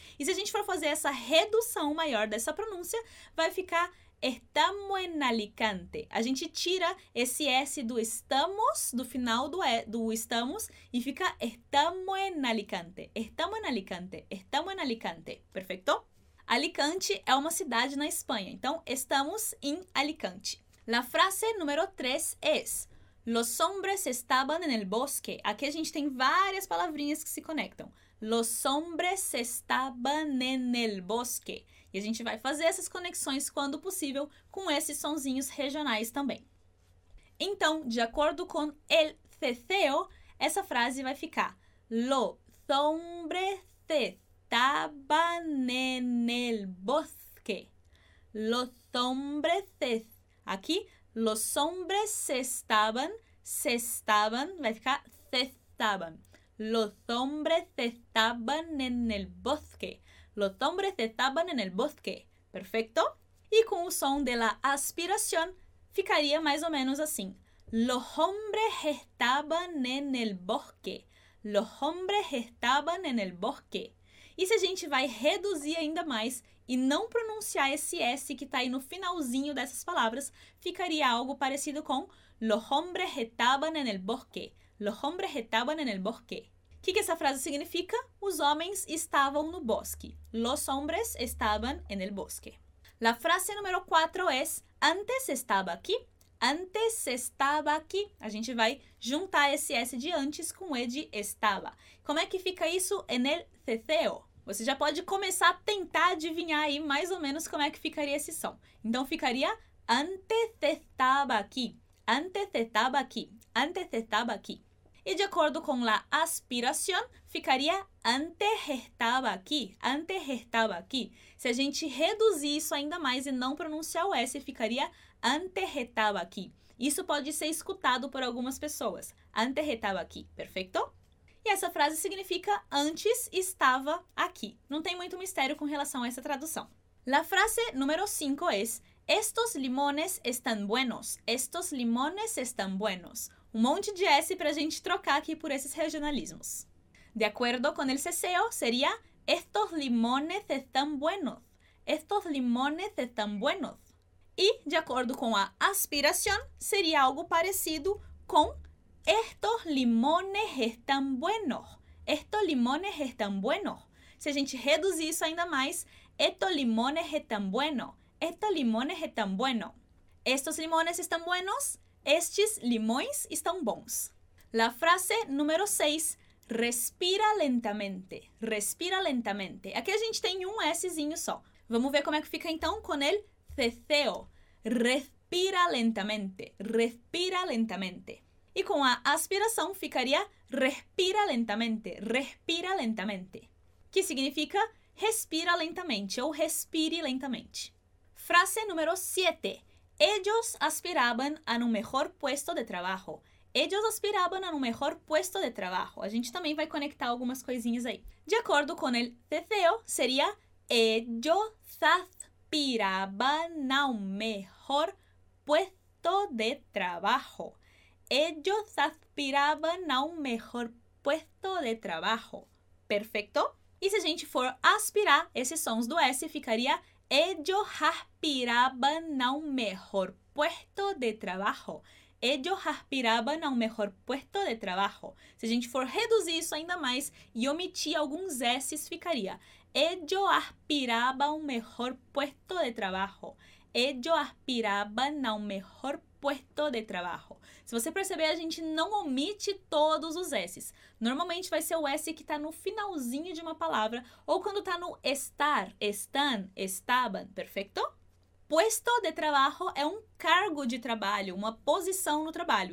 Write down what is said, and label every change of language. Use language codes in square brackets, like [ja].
[pt] E se a gente for fazer essa redução maior dessa pronúncia, vai ficar [es] estamos en Alicante. [pt] A gente tira esse S do estamos, do final do, do estamos, e fica [es] estamos en Alicante. Estamos en Alicante. Estamos en Alicante. Perfeito? [pt] Alicante é uma cidade na Espanha. Então, estamos em Alicante. [es] La frase número 3 es: los hombres estaban en el bosque. [pt] Aqui a gente tem várias palavrinhas que se conectam. [es] Los hombres estaban en el bosque. [pt] E a gente vai fazer essas conexões, quando possível, com esses sonzinhos regionais também. Então, de acordo com el ceceo, essa frase vai ficar: [es] los hombres estaban en el bosque. Los hombres. Aquí, los hombres estaban. Se estaban, [pt] vai ficar [es] se estaban. Los hombres estaban en el bosque. Los hombres estaban en el bosque. Perfecto? [pt] E com o som de la aspiración, ficaria mais ou menos assim. [es] Los hombres estaban en el bosque. Los hombres estaban en el bosque. [pt] E se a gente vai reduzir ainda mais e não pronunciar esse S que está aí no finalzinho dessas palavras, ficaria algo parecido com [es] los hombres estaban en el bosque. Los hombres estaban en el bosque. [pt] Que essa frase significa? Os homens estavam no bosque. [es] Los hombres estaban en el bosque. La frase número 4 es: antes estaba aquí. Antes estaba aquí. [pt] A gente vai juntar esse S de antes com E de estaba. Como é que fica isso en el ceceo? Você já pode começar a tentar adivinhar aí mais ou menos como é que ficaria esse som. Então ficaria [es] antes estaba aquí. Antes estaba aquí. Antes estaba aquí. [pt] E de acordo com la aspiración, ficaria [es] antes estaba aquí. Antes estaba aquí. [pt] Se a gente reduzir isso ainda mais e não pronunciar o S, ficaria [es] antes estaba aquí. [pt] Isso pode ser escutado por algumas pessoas. [es] Antes estaba aquí. [pt] Perfeito? E essa frase significa antes estava aqui. Não tem muito mistério com relação a essa tradução. [es] La frase número 5 es: estos limones están buenos. Estos limones están buenos. [pt] Um monte de S para a gente trocar aqui por esses regionalismos. De acordo com [es] el ceceo, seria: estos limones están buenos. Estos limones están buenos. [pt] E, de acordo com a aspiración, seria algo parecido com: [es] estos limones están buenos. Estos limones están buenos. [pt] Se a gente reduzir isso ainda mais, [es] estos limones están buenos. Estos limones están buenos. Estos limones están buenos. [pt] Estes limões estão bons. [es] La frase número 6. Respira lentamente. Respira lentamente. [pt] Aqui a gente tem um Szinho só. Vamos ver como é que fica então com el ceceo. [es] Respira lentamente. Respira lentamente. [pt] E com a aspiração ficaria [es] respira lentamente. Respira lentamente. [pt] Que significa respira lentamente ou respire lentamente. [es] Frase número 7. Ellos aspiraban a un mejor puesto de trabajo. Ellos aspiraban a un mejor puesto de trabajo. [pt] A gente também vai conectar algumas coisinhas aí. De acordo com o CCO, seria [es] ellos aspiraban a un mejor puesto de trabajo. Ellos aspiraban a un mejor puesto de trabajo. Perfecto. [pt] E se a gente for aspirar, esses sons do S ficaria [es] ellos aspiraban a un mejor puesto de trabajo. Ellos aspiraban a un mejor puesto de trabajo. [pt] Se a gente for reduzir isso ainda mais e omitir alguns S's, ficaria [es] ellos aspiraban a un mejor puesto de trabajo. Ellos aspiraban a un mejor puesto de trabajo. [pt] Se você perceber, a gente não omite todos os S's. Normalmente vai ser o S que está no finalzinho de uma palavra ou quando está no estar, están, estaban, perfeito? Puesto de trabajo é um cargo de trabalho, uma posição no trabalho.